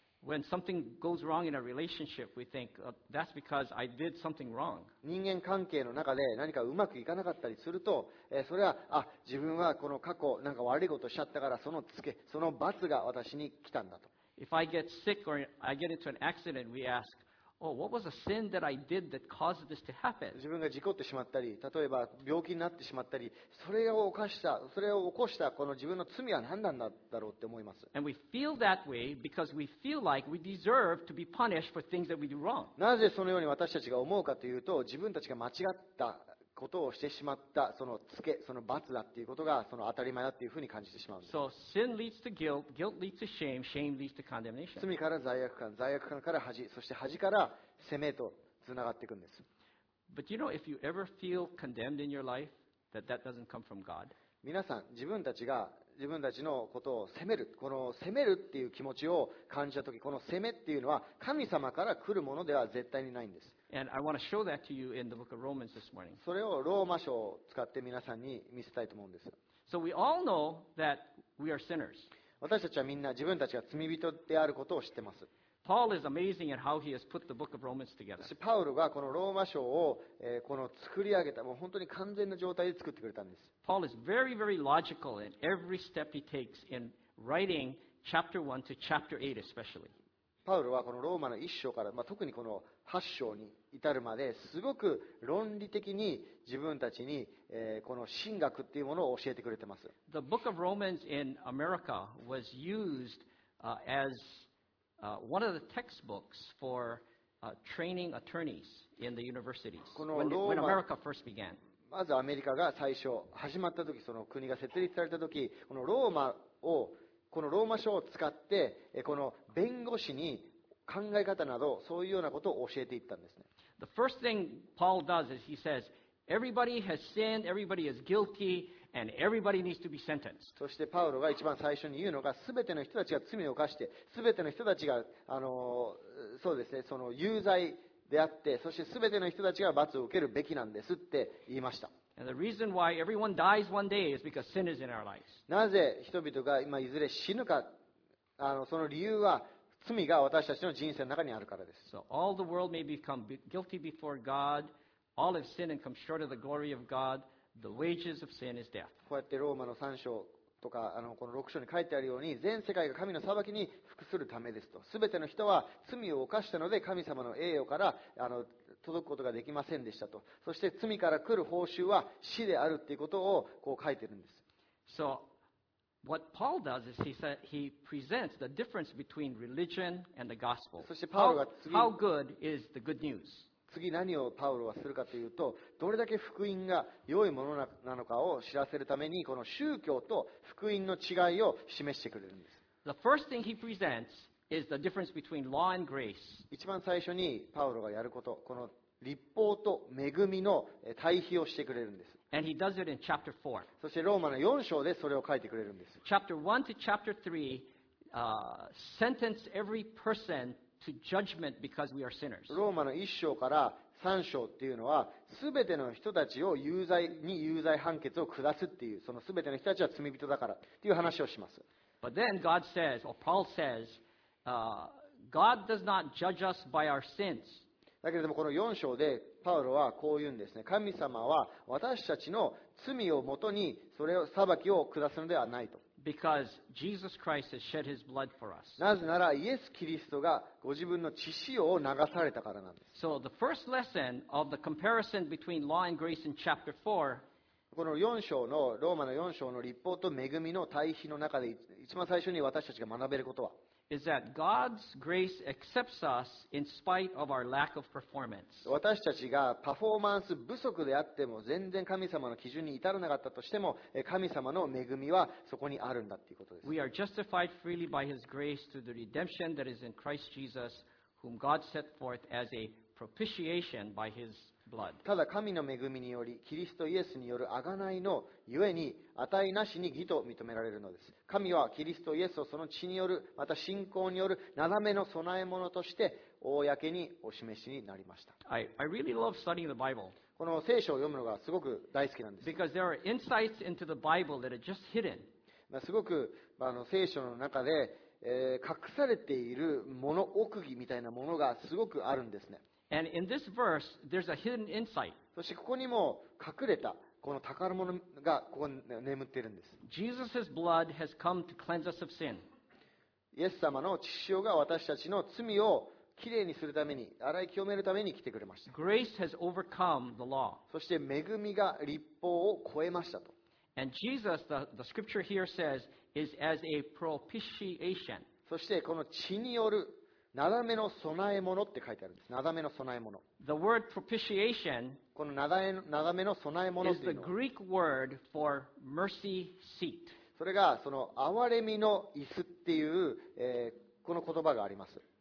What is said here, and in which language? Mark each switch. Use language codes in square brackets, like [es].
[en] When something goes wrong in a relationship, we think, that's because I did something wrong. [ja] 人間関係の中で何かうまくいかなかったりすると、それは、あ、自分はこの過去なんか悪いことをしちゃったから、そのつけ、その罰が私に来たんだと。 [en] If I get sick or I get into an accident, we ask, oh, what was a sin that I did that caused this to happen? [ja] 自分が事故ってしまったり、例えば病気になってしまったり、それを犯した、それを起こしたこの自分の罪は何なんだろうって思います。 [en] And we feel that way because we feel like we deserve to be punished for things that we do wrong. [ja] なぜそのように私たちが思うかというと、自分たちが間違ったことをしてしまったそのつけ、その罰だっていうことがその当たり前だっていうふうに感じてしまうんです [en] 。So sin leads to guilt, guilt leads to shame, shame leads to condemnation. [ja] 罪から罪悪感、罪悪感から恥、そして恥から責めとつながっていくんです。 [en] But you know, if you ever feel condemned in your life, that doesn't come from God. [ja] 皆さん、自分たちが自分たちのことを責める、この責めるっていう気持ちを感じたとき、この責めっていうのは神様から来るものでは絶対にないんです。 [en] And I want to show that to you in the book of Romans this morning. [ja] それをローマ書を使って皆さんに見せたいと思うんです。 [en] So we all know that we are sinners. [ja] 私たちはみんな自分たちが罪人であることを知ってます。 [en] Paul is amazing at how he has put the book of Romans together. [ja] パウロがこのローマ書を、この作り上げた、もう本当に完全な状態で作ってくれたんです。 [en] Paul is very, very logical in every step he takes in writing chapter 1 to chapter 8 especially. [ja] パウロはこのローマの1章から、まあ、特にこの8章に至るまですごく論理的に自分たちに、この神学っていうものを教えてくれてます。 [en] The book of Romans in America was used asone of the textbooks for training attorneys in the universities when America first began. [ja] まずアメリカが最初始まった時、その国が設立された時、このローマを、このローマ書を使って、この弁護士に考え方など、そういうようなことを教えていったんですね。 [en] The first thing Paul does is he says, everybody has sinned, everybody is guilty. And everybody needs to be sentenced. [ja] そしてパウロが一番最初に言うのが、すべての人たちが罪を犯して、すべての人たちがそうですね、その有罪であって、そしてすべての人たちが罰を受けるべきなんですって言いました。 [en] And the reason why everyone dies one day is because sin is in our lives. [ja] なぜ人々が今いずれ死ぬか、その理由は罪が私たちの人生の中にあるからです。 [en] So all the world may become guilty before God, all have sinned and come short of the glory of God. The wages of sin is death. [ja] こうやってローマの3章とかこの6章に書いてあるように、全世界が神の裁きに服するためですと、すべての人は罪を犯したので神様の栄誉から届くことができませんでしたと、そして罪から来る報酬は死であるということをこう書いてるんです。 [en] So what Paul does is he presents the difference between religion and the gospel. [ja] そしてパウロが次 [en] how good is the good news? [ja] 次何をパウロはするかというと、どれだけ福音が良いものなのかを知らせるために、この宗教と福音の違いを示してくれるんです。 [en] The first thing he presents is the difference between law and grace. [ja] 一番最初にパウロがやること、この立法と恵みの対比をしてくれるんです。 [en] And he does it in chapter 4. [ja] そしてローマの4章でそれを書いてくれるんです。 [en] Chapter 1 to chapter 3, sentence every person to judgment because we are sinners. [ja] ローマの1章から3章っていうのは、すべての人たちを有罪に有罪判決を下すっていう、そのすべての人たちは罪人だからっていう話をします。 [en] But then God says, or Paul says, God does not judge us by our sins. [ja] だけれどもこの4章でパウロはこう言うんですね。神様は私たちの罪をもとにそれを裁きを下すのではないと。 [en] Because Jesus Christ has shed his blood for us. [ja] なぜならイエス・キリストがご自分の血潮を流されたからなんです。 [en] So the first lesson of the comparison between law and grace in chapter 4, [ja] この4章のローマの4章の律法と恵みの対比の中で一番最初に私たちが学べることは [en] Is that God's grace accepts us in spite of our lack of performance. [ja] 私たちがパフォーマンス不足であっても全然神様の基準に至らなかったとしても神様の恵みはそこにあるんだということです。 [en] We are justified freely by His grace through the redemption that is in Christ Jesus, whom God set forth as a propitiation by His blood. [ja] ただ神の恵みによりキリストイエスによる贖いのゆえに値なしに義と認められるのです。神はキリストイエスをその血による、また信仰による、なだめの備え物として、公にお示しになりました。 [en] I really love studying the Bible. [ja] この聖書を読むのがすごく大好きなんです。 [en] Because there are insights into the Bible that are just hidden. [ja] すごく聖書の中で、隠されているもの、奥義みたいなものがすごくあるんですね。 [en] And in this verse, there's a hidden insight. [ja] そしてここにも隠れた。この宝物がここに眠っているんです。 [en] Jesus' blood has come to cleanse us of sin. [ja] イエス様の血潮が私たちの罪をきれいにするために、洗い清めるために来てくれました。 [en] Grace has overcome the law. [ja] そして恵みが律法を超えましたと。 [en] And Jesus, the scripture here says, is as a propitiation. [ja] そしてこの血によるなだめの備え物って書いてあるんです。なだめの備え物。 [en] The word propitiation [ja] このなだめの備え物 [en] is the Greek word for mercy seat. [ja] それがその憐れみの椅子っていう、この言葉があります。